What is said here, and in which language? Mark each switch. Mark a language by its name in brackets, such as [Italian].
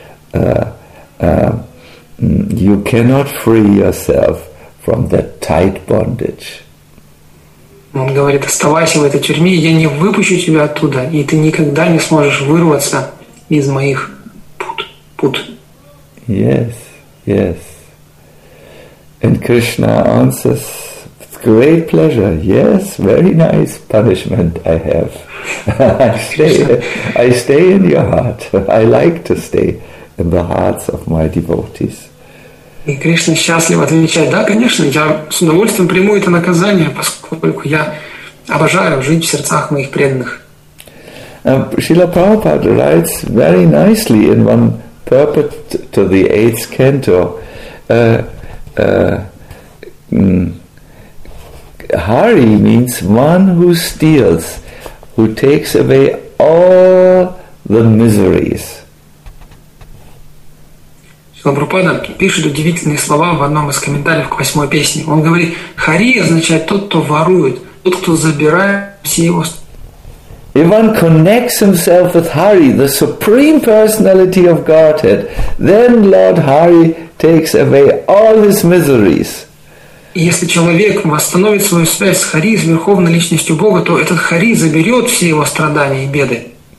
[English] You cannot free yourself from that tight bondage. [Russian] Он говорит: «Оставайся в этой тюрьме, я не выпущу тебя оттуда, и ты никогда не сможешь вырваться из моих пут». [English] Yes, yes. And Krishna answers with great pleasure. Yes, very nice punishment I have. I stay in your heart. I like to stay in the hearts of my devotees. [Russian] И Кришна счастливо отвечает: «Да, конечно, я с удовольствием приму это наказание, поскольку я обожаю жить в сердцах моих преданных». [English] Шрила Прабхупада writes very nicely in one purport to the 8th canto Hari means one who steals, who takes away all the miseries. [Russian] Шрила Прабхупада пишет удивительные слова в одном из комментариев к 8 песне. Он говорит: «Хари означает тот, кто ворует, тот, кто забирает все его». [English] If one connects himself with Hari, the supreme personality of Godhead, then Lord Hari takes away all his miseries. [Russian] Если человек восстановит свою связь с Хари, с верховной личностью Бога, то этот Хари заберет все его страдания и беды.